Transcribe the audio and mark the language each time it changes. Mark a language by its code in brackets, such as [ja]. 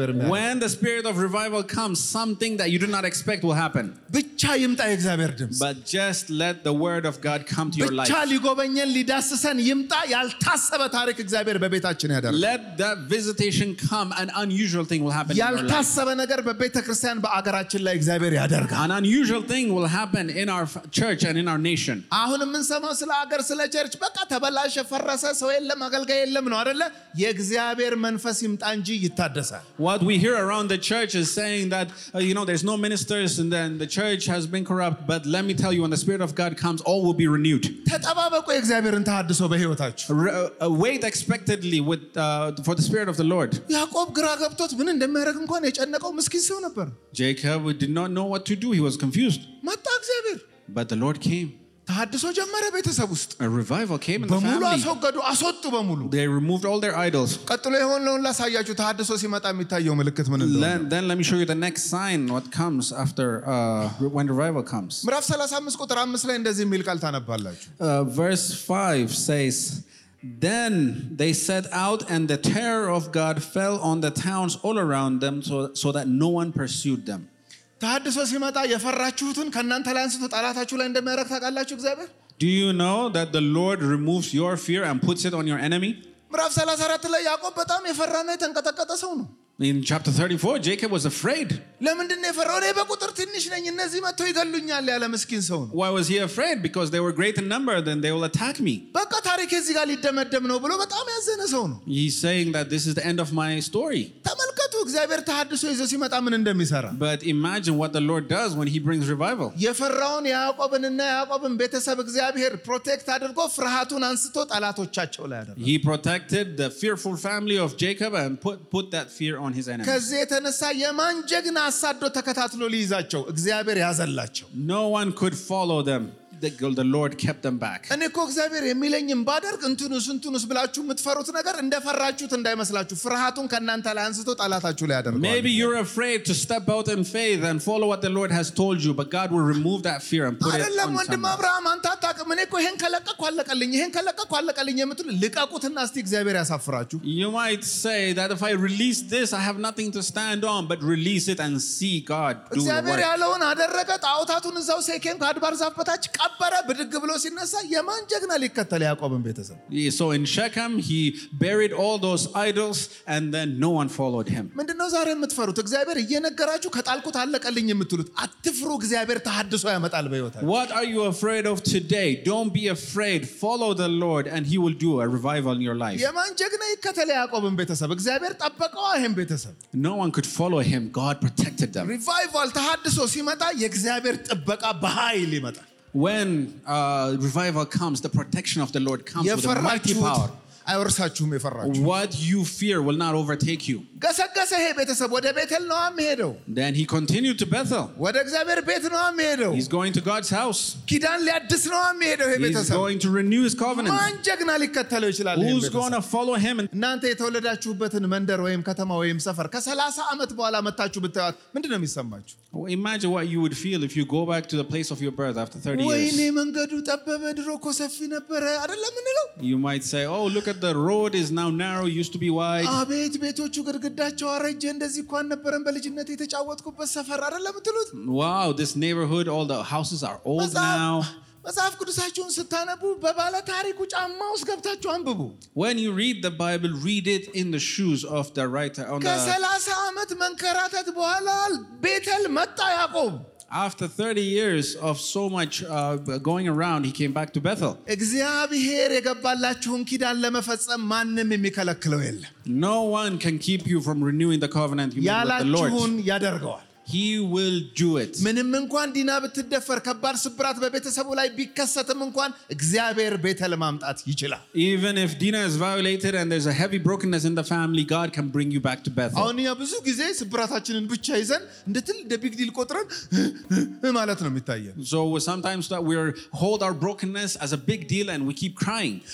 [en] When the spirit of revival comes, something that you do not expect will happen. [am] የእግዚአብሔር ድምጽ [en] but just let the word of god come to your life [am] ብቻ ሊጎበኘን ሊዳስሰን ይምጣ ያልታሰበ ታሪክ እግዚአብሔር በቤታችን ያደርጋል [en] let that visitation come an unusual thing will happen [am] ያልታሰበ ነገር በቤተክርስቲያን በአገራችን ላይ እግዚአብሔር ያደርጋል [en] an unusual thing will happen in our church and in our nation [am] አሁን ምን ሰማው ስለ አገር ስለ ቸርች በቃ ተበላሸ ፈረሰ ሰው የለም አገልጋይ የለም ነው አይደለ የእግዚአብሔር መንፈስ ይምጣ እንጂ ይታደሳል [en] what we hear around the church is saying that you know there's no ministers and then the church has been corrupt but let me tell you when the spirit of god comes all will be renewed [am] ተጠባበቁ እግዚአብሔርን ተሐድሶ በሕይወታችሁ [en] wait expectedly with for the spirit of the lord [am] ያዕቆብ ግራ ገብቶት ምን እንደማያረግ እንኳን የጨነቀው ምስኪን ሰው ነበር [en] jacob did not know what to do he was confused [am] መጣ እግዚአብሔር [en] but the lord came [am] ተሐድሶ ጀመረ ቤተሰብ ውስጥ [en] a revival came in the family [am] በሙሉ አሰገዱ አሰጡ በሙሉ [en] they removed all their idols [am] ቀጥሎ የሆነውን ላሳያችሁ ተሐድሶ ሲመጣ የሚታየው ምልክት ምን እንደሆነ [en] then let me show you the next sign what comes after when revival comes [am] ምዕራፍ 35 ቁጥር 5 ላይ እንደዚህ የሚል ቃል ታነባላችሁ [en] verse 5 says then they set out and the terror of god fell on the towns all around them so that no one pursued them [am] ተሐድሶ ሲመጣ የፈራችሁትን ከናንተ ላይ አንስቶ ጣላታችሁ ላይ እንደማይረክ ታቃላችሁ እግዚአብሔር [en] Do you know that the Lord removes your fear and puts it on your enemy? [am] ምዕራፍ 34 ላይ ያዕቆብ በጣም የፈራና የተንቀጠቀጠ ሰው ነው. [en] In chapter 34 Jacob was afraid. [am] ለምንድን ነው የፈራው? እኔ በቁጥር ትንሽ ነኝ እነዚህ መጥተው ይገሉኛል ያለ ምስኪን ሰው ነው. [en] Why was he afraid? Because they were great in number then they will attack me. [am] በቃ ታሪክ እዚህ ጋር ሊደመደም ነው ብሎ በጣም ያዘነ ሰው ነው. [en] He's saying that this is the end of my story. [am] እግዚአብሔር ተሐድሶ ይዞ ሲመጣ ምን እንደሚሰራ [en] But imagine what the Lord does when he brings revival. [am] የፈራውን ያዕቆብንና ያዕቆብን ቤተሰብ እግዚአብሔር ፕሮቴክት አድርጎ ፍርሃቱን አንስቶ ጣላቶቻቸው ላይ አደረገ. [en] He protected the fearful family of Jacob and put that fear on his enemies. [am] ከዚህ የተነሳ የማን ጀግና አሳዶ ተከታትሎ ሊይዛቸው እግዚአብሔር ያዘላቸው. [en] No one could follow them. The Lord kept them back. [am] እኔኮ እግዚአብሔር የሚለኝን ባደርግ እንትኑስ ብላችሁ የምትፈሩት ነገር እንደፈራችሁት እንዳይመስላችሁ ፍርሃቱን ከናንተ ላይ አንስቶ ጣላታችሁ ላይ አደረገው. [en] Maybe you're afraid to step out in faith and follow what the Lord has told you, but God will remove that fear and put it on someone. [am] አለም ወንድም አብርሃም አንተ አታውቅም እኔኮ ይሄን ከለቀቅኩ አለቀልኝ ይሄን ከለቀቅኩ አለቀልኝ የምትሉ ልቀቁትና እስቲ እግዚአብሔር ያሳፍራችሁ. [en] You might say that if I release this I have nothing to stand on, but release it and see God do the work. [am] እግዚአብሔር ያለውን አደረገ ጣውታቱን እዛው ሴኬን ከአድባር ዛፍ በታች አባረ ብድግ ብሎ ሲነሳ የማን ጀግና ሊከተል ያዕቆብን ቤተሰብ [en] So in Shechem he buried all those idols and then no one followed him [am] ምንድነው ዛሬ የምትፈሩት እግዚአብሔር እየነገራችሁ ከጣልኩት አለቀልኝ የምትሉት አትፍሩ እግዚአብሔር ተሐድሶ ያመጣል በሕይወታችሁ [en] What are you afraid of today don't be afraid follow the Lord and he will do a revival in your life [am] የማን ጀግና ይከተል ያዕቆብን ቤተሰብ እግዚአብሔር ጠበቀው ይሄን ቤተሰብ [en] No one could follow him God protected them [am] revival ተሐድሶ ሲመጣ የእግዚአብሔር ጥበቃ በኃይል ይመጣል [en] When revival comes the protection of the Lord comes with a mighty power [am] አይወርሳችሁም የፈራችሁ [en] What you fear will not overtake you [am] ገሰገሰ ሄ ቤተሰብ ወደ ቤተል ነው አመሄደው [en] Then he continued to Bethel [am] ወደ እግዚአብሔር ቤት ነው አመሄደው [en] He's going to God's house [am] ኪዳን ሊያድስ ነው አመሄደው ሄ ቤተሰብ [en] He's going to renew his covenant [am] ማን ጀግና ሊከተለው ይችላል ሄ ቤተሰብ [en] Who's going to follow him [am] እናንተ የተወለዳችሁበትን መንደር ወይም ከተማ ወይም ሰፈር ከ30 አመት በኋላ መጣችሁ ብታዩት ምንድነው የሚሰማችሁ [en] Imagine what you would feel if you go back to the place of your birth after 30 ወይ years [am] ወይ መንገዱ ጠበበ ድሮ እኮ ሰፊ ነበር አይደለም እንለው [en] You might say oh look at the road is now narrow used to be wide [am] አቤት ቤቶቹ ግድግዳቸው አረጀ እንደዚህ እንኳን ነበርን በልጅነት የተጫወትኩበት ሰፈር አይደለም እንትሉት [en] Wow this neighborhood all the houses are old now [am] መጽሐፍ ቅዱሳችሁን ስታነቡ በባለ ታሪኩ ጫማ ውስጥ ገብታችሁ አንብቡ [en] When you read the Bible read it in the shoes of the writer on the [am] 30 አመት መንከራተት በኋላ ቤተል መጣ ያዕቆብ [en] After 30 years of so much going around he came back to Bethel. [am] እግዚአብሔር የገባላችሁን ኪዳን ለመፈጸም ማንንም የሚከለክለው የለ። [en] No one can keep you from renewing the covenant you made with the Lord. [am] ያላችሁን ያደርጋል። [en] He will do it. [am] ምንም እንኳን ዲና ብትደፈር ከባድ ስብራት በቤተሰቡ ላይ ቢከሰትም እንኳን እግዚአብሔር ቤተል ማምጣት ይችላል። [en] Even if Dina is violated and there's a heavy brokenness in the family God can bring you back to Bethel. [am] አሁን ብዙ ጊዜ ስብራታችንን ብቻ ይዘን እንደ ትልቅ big deal ቆጥረን ማለት ነው የሚታየው። [en] So sometimes that we hold our brokenness as a big deal and we keep crying.